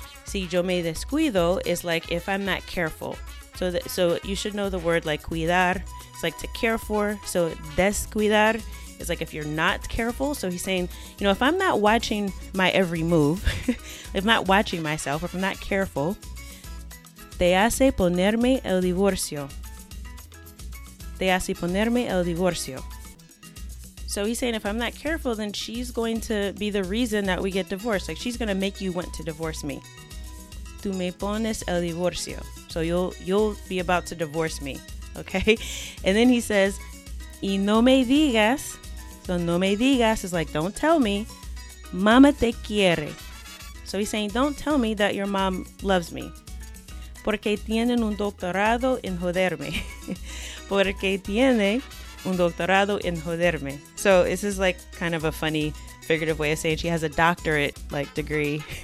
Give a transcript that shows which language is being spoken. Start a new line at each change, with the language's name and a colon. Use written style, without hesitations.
Spanish: Si yo me descuido
English: is like, if I'm not careful. So you should know the word like cuidar. It's like to care for. So descuidar is like if you're not careful. So he's saying, you know, if I'm not watching my every move, if I'm not watching myself, if I'm not careful,
Spanish: te hace ponerme el divorcio. Te hace ponerme el divorcio.
English: So he's saying, if I'm not careful, then she's going to be the reason that we get divorced. Like she's going to make you want to divorce me.
Spanish: Tú me pones el divorcio.
English: So you'll be about to divorce me. Okay, and then he says,
Spanish: y no me digas,
English: so
Spanish: no me digas
English: is like, don't tell me,
Spanish: mama te quiere.
English: So he's saying, don't tell me that your mom loves me.
Spanish: Porque tienen un doctorado en joderme. Porque tiene un doctorado en joderme.
English: So this is like kind of a funny figurative way of saying she has a doctorate like degree.